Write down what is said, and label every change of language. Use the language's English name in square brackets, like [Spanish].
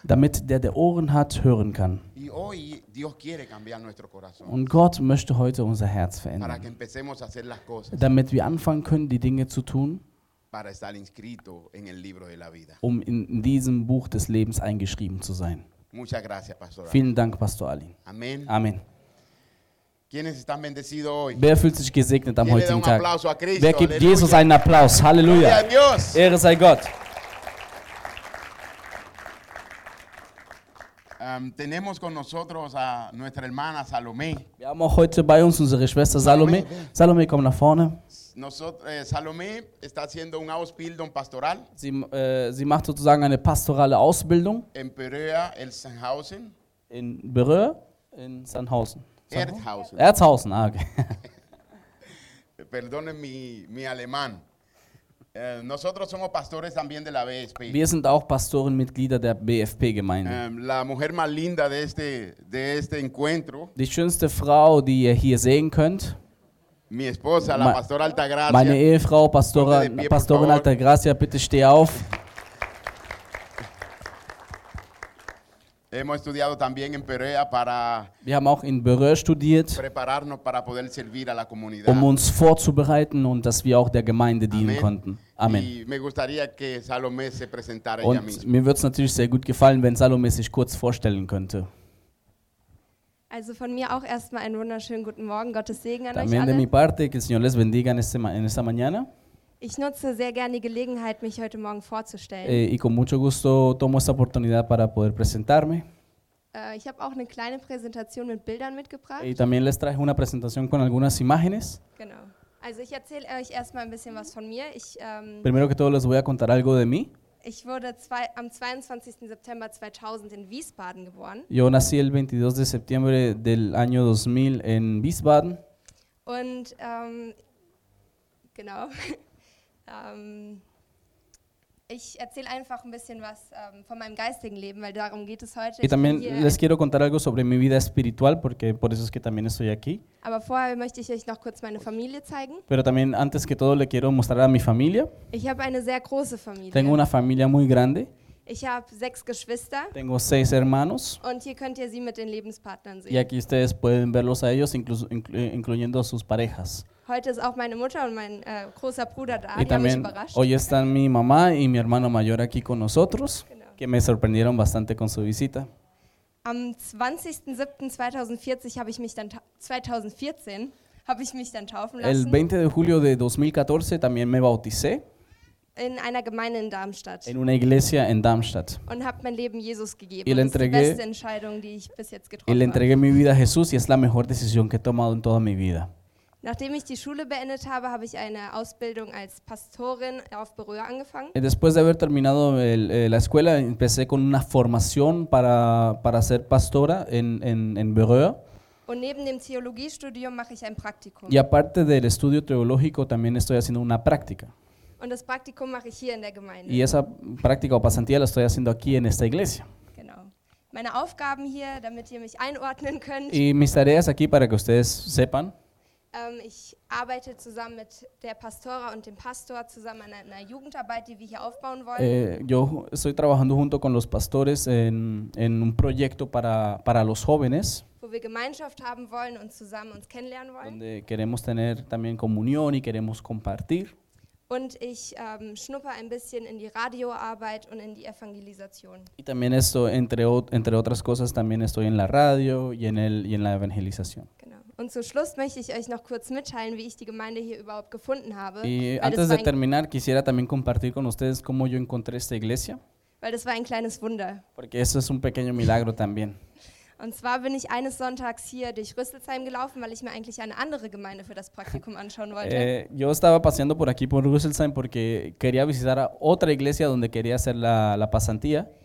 [German] Damit der Ohren hat, hören kann. [Spanish] Y hoy Dios quiere cambiar nuestro corazón. [German] Und Gott möchte heute unser Herz verändern, [Spanish] para que empecemos a hacer las cosas. [German] Damit wir anfangen können, die Dinge zu tun, [Spanish] para estar inscrito en el libro de la vida. [German] Um in diesem Buch des Lebens eingeschrieben zu sein. [Spanish] Muchas gracias, Pastor [German] Ali. Vielen Dank, Pastor Ali. Amen. Amen. [Spanish] ¿Quiénes están bendecidos hoy? [German] Wer fühlt sich gesegnet am heutigen Tag? [Spanish] Un aplauso a Cristo. [German] Wer gibt Halleluja. Jesus einen Applaus? Halleluja. [Spanish] Gloria a Dios. [German] Ehre sei Gott. [Spanish] Tenemos con nosotros a nuestra hermana Salomé. [German] Wir haben auch heute bei uns unsere Schwester Salomé. Salomé, komm nach vorne. [Spanish] Salomé está haciendo un Ausbildung pastoral. [German] Sie macht sozusagen eine pastorale Ausbildung. [Spanish] En Berea, el Sanhausen. [German] In Berea, in Sanhausen. Erzhausen. Erzhausen, ah, okay. [Spanish] Perdone mi alemán. Nosotros somos pastores también de la BFP. [German] Wir sind auch Pastorenmitglieder der BFP-Gemeinde. [Spanish] La mujer más linda de este encuentro. [German] Die schönste Frau, die ihr hier sehen könnt. [Spanish] Mi esposa, la pastora Altagracia. [German] Meine Ehefrau, Pastorin Altagracia, bitte steh auf. [Spanish] Hemos estudiado también en Perea para [German] Wir haben auch in Perea studiert, [Spanish] prepararnos para poder servir a la comunidad. [German] Um uns vorzubereiten und dass wir auch der Gemeinde dienen Amen. Konnten. Amen. [Spanish] Y me gustaría que Salomé se presentara [German] und [Spanish] ella misma. [German] Mir würde es natürlich sehr gut gefallen, wenn Salomé sich kurz vorstellen könnte. Also von mir auch erstmal einen wunderschönen guten Morgen, Gottes Segen an [Spanish] También [German] euch alle. [Spanish] También de mi parte, que el Señor les bendiga en esta mañana. [German] Ich nutze sehr gerne die Gelegenheit, mich heute Morgen vorzustellen. [Spanish] Y con mucho gusto tomo esta oportunidad para poder presentarme. [German] Ich habe auch eine kleine Präsentation mit Bildern mitgebracht. [Spanish] Y también les traje una presentación con algunas imágenes. [German] Genau. Also ich erzähle euch erstmal ein bisschen was von mir. [Spanish] Primero que todo les voy a contar algo de mí. [German] Ich wurde am 22. September 2000 in Wiesbaden geboren. [Spanish] Yo nací el 22 de septiembre del año 2000 en Wiesbaden. [German] Und genau. Ich erzähle einfach ein bisschen was von meinem geistigen Leben, weil darum geht es heute. [Spanish] Y también les quiero contar algo sobre mi vida espiritual, porque por eso es que también estoy aquí. [German] Aber vorher möchte ich euch noch kurz meine Familie zeigen. [Spanish] Pero también antes que todo le quiero mostrar a mi familia. [German] Ich habe eine sehr große Familie. [Spanish] Tengo una familia muy grande. [German] Ich habe 6 Geschwister. [Spanish] Tengo 6 hermanos. [German] Und hier könnt ihr sie mit den Lebenspartnern sehen. [Spanish] Y aquí ustedes pueden verlos a ellos, incluyendo a sus parejas. [German] Heute ist auch meine Mutter und mein großer Bruder da, y die haben mich überrascht. [Spanish] Hoy están mi mamá y mi hermano mayor aquí con nosotros, genau. Que me sorprendieron bastante con su visita. [German] Am 20.07.2014 habe ich mich dann taufen lassen. [Spanish] El 20 de julio de 2014 también me bauticé. [German] In einer Gemeinde in Darmstadt. [Spanish] En una iglesia en Darmstadt. [German] Und habe mein Leben Jesus gegeben. [Spanish] Y le entregué, [German] das ist die beste Entscheidung, die ich bis jetzt getroffen [Spanish] y le entregué [German] habe. [Spanish] Mi vida a Jesús y es la mejor decisión que he tomado en toda mi vida. [German] Nachdem ich die Schule beendet habe, habe ich eine Ausbildung als Pastorin auf Berühr angefangen. [Spanish] Después de haber terminado la escuela, empecé con una formación para ser pastora en Berühr. [German] Und neben dem Theologiestudium mache ich ein Praktikum. [Spanish] Y aparte del estudio teológico, también estoy haciendo una práctica. [German] Und das Praktikum mache ich hier in der Gemeinde. [Spanish] Y esa práctica o pasantía la estoy haciendo aquí en esta iglesia. [German] Meine Aufgaben hier, damit ihr mich einordnen könnt. [Spanish] Y mis tareas aquí para que ustedes sepan. [German] Ich arbeite zusammen mit der Pastora und dem Pastor zusammen an einer Jugendarbeit, die wir hier aufbauen wollen. [Spanish] Yo estoy trabajando junto con los pastores en un proyecto para los jóvenes. [German] Wo wir Gemeinschaft haben wollen und zusammen uns kennenlernen wollen. [Spanish] Donde queremos tener también comunión y queremos compartir. [German] Und ich schnuppe ein bisschen in die Radioarbeit und in die Evangelisation. [Spanish] Y también esto entre otras cosas también estoy en la radio y en la evangelización. [German] Genau. Und zum Schluss möchte ich euch noch kurz mitteilen, wie ich die Gemeinde hier überhaupt gefunden habe. [Spanish] Y antes de terminar, quisiera también compartir con ustedes cómo yo encontré esta iglesia. [German] Weil das war ein kleines Wunder. [Spanish] Porque eso es un pequeño milagro también. [German] Und zwar bin ich eines Sonntags hier durch Rüsselsheim gelaufen, weil ich mir eigentlich eine andere Gemeinde für das Praktikum anschauen wollte. [Spanish] Yo estaba paseando por aquí por Rüsselsheim porque quería visitar otra iglesia donde quería hacer la pasantía.